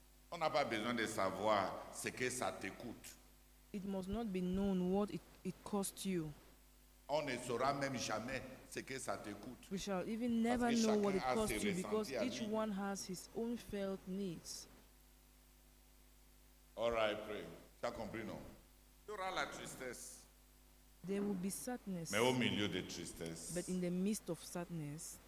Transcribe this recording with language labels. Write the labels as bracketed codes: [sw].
[fr] On n'a pas besoin de savoir ce que ça te coûte. [en] It must not be known what it cost you. [fr] On ne saura même jamais ce que ça te coûte. [en] We shall even never know what it cost you because each one has his own felt needs. All right, pray. [fr] Tu as compris, non? Il y aura la tristesse. [en] There will be sadness. [fr] Mais au milieu de tristesse. [en] But in the midst of sadness.